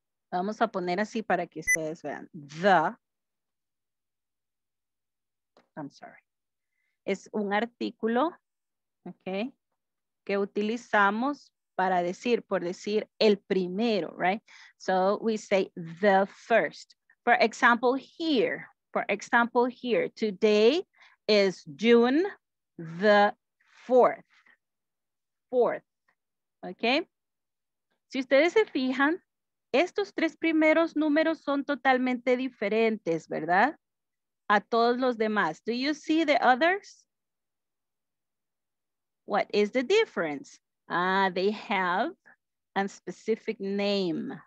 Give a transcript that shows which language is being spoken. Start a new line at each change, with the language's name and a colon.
Spanish: Vamos a poner así para que ustedes vean. The.
English: I'm sorry.
Spanish: Es un artículo, okay, que utilizamos para decir, por decir el primero, right?
English: So we say the first. For example here, today is June the 4th. Fourth, okay?
Spanish: Si ustedes se fijan, estos tres primeros números son totalmente diferentes, ¿verdad? A todos los demás.
English: Do you see the others? What is the difference? They have a specific name.